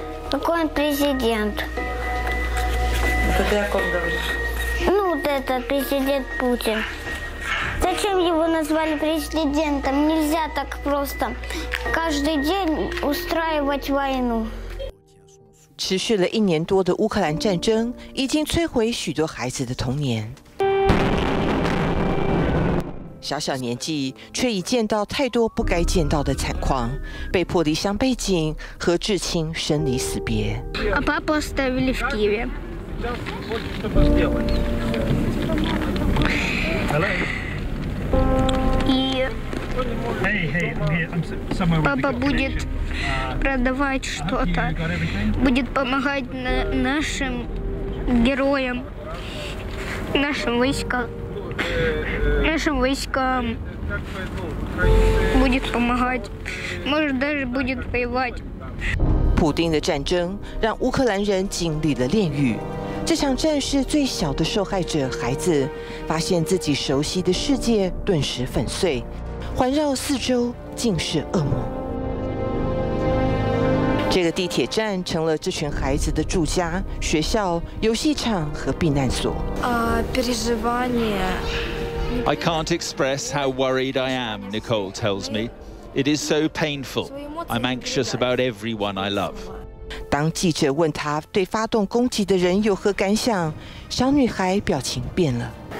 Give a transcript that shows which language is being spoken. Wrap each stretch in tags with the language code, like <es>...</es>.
<ru>Какой он президент? Это ты о ком говоришь? Ну вот этот президент Путин. Зачем его назвали президентом? Нельзя так просто каждый день устраивать войну.</ru> <zh>持续了一年多的乌克兰战争已经摧毁许多孩子的童年。小小年纪却已见到太多不该见到的惨况，被迫离乡背井，和至亲生离死别。</zh> <ru>А папу оставили в Киеве.</ru> <en>Hello.</en> <ru>Папа будет продавать что-то, будет помогать нашим героям, нашим войскам, будет помогать, может даже будет воевать.</ru> <zh>普丁的战争让乌克兰人经历了炼狱。这场战事最小的受害者孩子，发现自己熟悉的世界顿时粉碎。环绕四周尽是噩梦，这个地铁站成了这群孩子的住家、学校、游戏场和避难所。</zh> <en>I can't express how worried I am, Nicole tells me. It is so painful. I'm anxious about everyone I love.</en> <zh>当记者问他对发动攻击的人有何感想，小女孩表情变了。</zh>